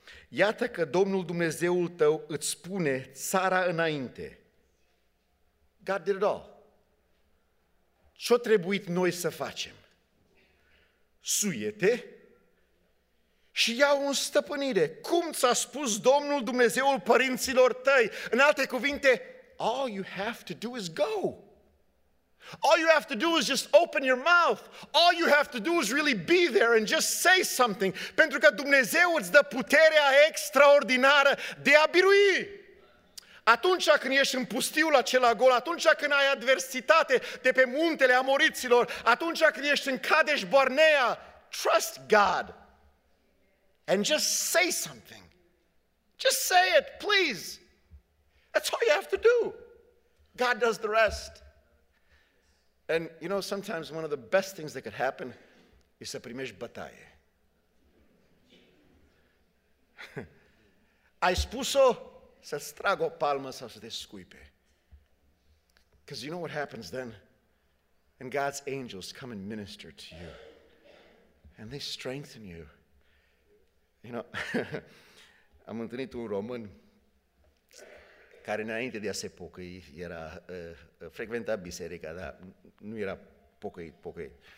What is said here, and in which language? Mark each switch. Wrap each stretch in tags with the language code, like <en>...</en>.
<ro>Iată că Domnul Dumnezeul tău îți pune țara înainte.</ro> <en>God did it all.</en> <ro>ce-o trebuit noi să facem? Suie-te și ia-o în stăpânire. Cum ți-a spus Domnul Dumnezeul părinților tăi? În alte cuvinte,</ro> <en>all you have to do is go. All you have to do is just open your mouth. All you have to do is really be there and just say something.</en> <ro>Pentru că Dumnezeu îți dă puterea extraordinară de a birui. Atunci când ești în pustiul acela gol, atunci când ai adversitate de pe muntele Amoriților, atunci când ești în Kadesh Barnea,</ro> <en>trust God and just say something. Just say it, please. That's all you have to do. God does the rest. And you know, sometimes one of the best things that could happen is</en> <ro>să primești bătaie. Ai spus-o să-ți trag o palmă sau să te scuipe.</ro> <en>Because you know what happens then? And God's angels come and minister to you. And they strengthen you. You know,</en> <ro>am întâlnit un român care înainte de a se pocăi era frecventa biserica, dar nu era pocăit.</ro>